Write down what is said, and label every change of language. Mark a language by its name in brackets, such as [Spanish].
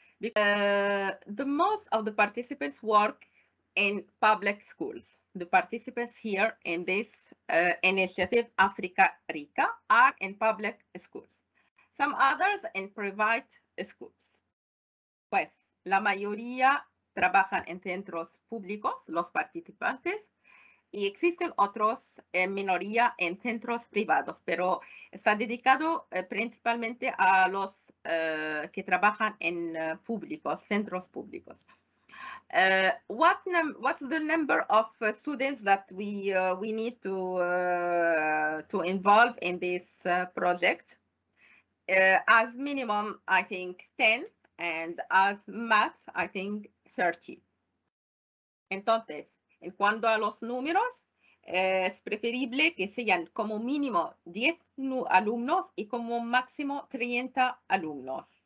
[English] Because the most of the participants work in public schools. The participants here in this initiative, África Ric, are in public schools. Some others in private schools. [Spanish] Pues, la mayoría trabajan en centros públicos, los participantes, y existen otros en minoría en centros privados, pero está dedicado principalmente a los que trabajan en públicos, centros públicos. [English] What's the number of students that we need to involve in this project? As minimum, I think 10, and as max, I think 30. [Spanish] Entonces, en cuanto a los números, es preferible que sean como mínimo 10 alumnos y como máximo 30 alumnos.